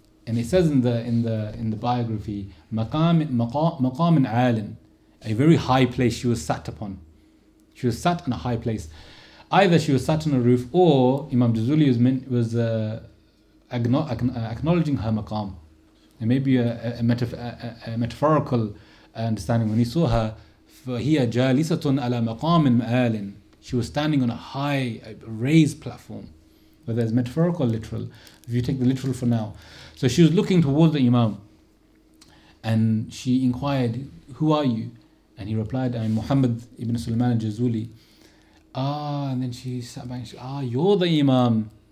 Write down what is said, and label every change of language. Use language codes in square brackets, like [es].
[en] And it says in the biography, maqamin alin, a very high place she was sat upon. She was sat in a high place. Either she was sat on a roof, or Imam Jazuli was acknowledging her maqam. And maybe a metaphorical understanding. When he saw her, [ar] فَهِيَ جَالِسَةٌ عَلَى مَقَامٍ مَآلٍ. [en] She was standing on a raised platform. Whether it's metaphorical or literal, if you take the literal for now. So she was looking towards the Imam and she inquired, who are you? And he replied, I'm Muhammad ibn Sulaiman al-Jazuli. And then she sat back and she said, you're the Imam.